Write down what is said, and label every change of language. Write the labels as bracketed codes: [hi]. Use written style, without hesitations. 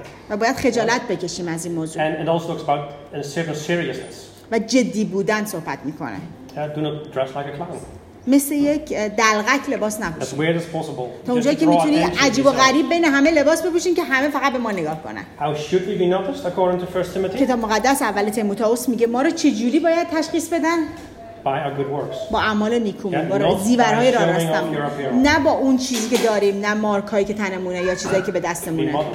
[fa] و باید خجالت بکشیم از این موضوع. [en] Talks about a certain seriousness. [fa] و جدی بودن صحبت میکنه. [en] Do not dress like a clown. [fa] مثل یک دلغک لباس نپوش. [en] As weird as possible. [fa] تا اونجایی که میتونی عجیب و غریب بین همه لباس بپوشین که همه فقط به ما نگاه کنن. [en] How should we be noticed according to 1 Timothy? [fa] کتاب مقدس اول تیموتائوس میگه ما رو چه جوری باید تشخیص بدن؟ [en] By our good works. [fa] با اعمال نیکو، با زیورهای راستم. نه با اون چیزی که داریم، نه مارکایی که تنمونه یا چیزایی که به دستمونه.